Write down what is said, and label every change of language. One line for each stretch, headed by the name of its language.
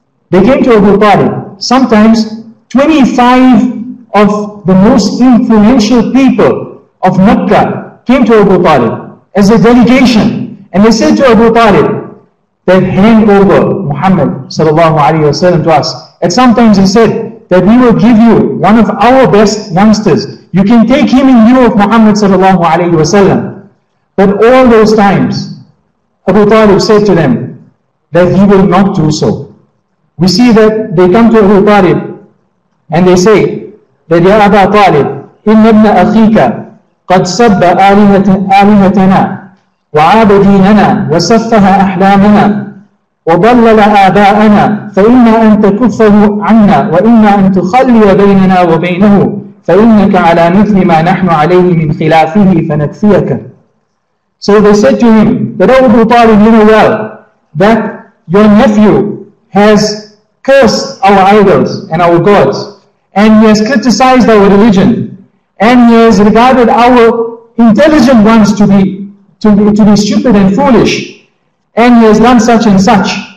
English: They came to Abu Talib, sometimes 25 of the most influential people of Mecca came to Abu Talib as a delegation, and they said to Abu Talib that hand over Muhammad sallallahu alayhi wa sallam to us. At some times he said that we will give you one of our best youngsters. You can take him in lieu of Muhammad sallallahu alayhi wa sallam. But all those times, Abu Talib said to them that he will not do so. We see that they come to Abu Talib and they say that,
Arabic: Ya Aba Talib, إِنَّ ابْنَ أَخِيكَ قَدْ سَبَّ آلِهَتَنَا وَعَابَ دِينَنَا وَسَفَّهَ أَحْلَامَنَا وَضَلَّلَ آبَاءَنَا فَإِنَّا أَن تَكُفَّهُ عَنَّا وَإِنَّا أَن تُخَلِّيَ بَيْنَنَا وَبَيْنَهُ فَإِنَّكَ عَلَى مِثْلِ مَا نَحْنُ عَلَيْهِ مِنْ خِلَافِهِ فَنَكْفِيَكَ.
English: So they said to him, that Abu Talib, you know well that your nephew has cursed our idols and our gods, and he has criticized our religion, and he has regarded our intelligent ones to be stupid and foolish, and he has done such and such.